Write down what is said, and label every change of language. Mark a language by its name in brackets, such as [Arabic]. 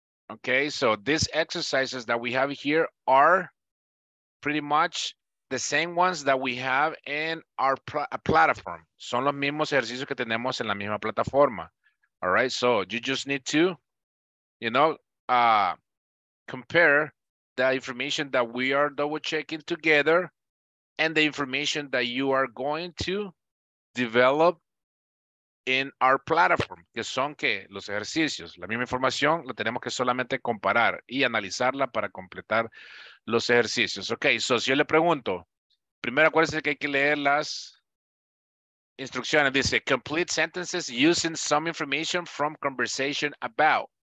[English] Okay, so these exercises that we have here are pretty much the same ones that we have in our platform. [Spanish] Son los mismos ejercicios que tenemos en la misma plataforma. [English] All right, so you just need to, you know, compare the information that we are double checking together and the information that you are going to develop in our platform, [Spanish] que son que los ejercicios. La misma información la tenemos que solamente comparar y analizarla para completar los ejercicios. Okay, so si yo le pregunto, primero acuérdense que hay que leer las instrucciones. [English] Dice, complete sentences using some information from conversation about.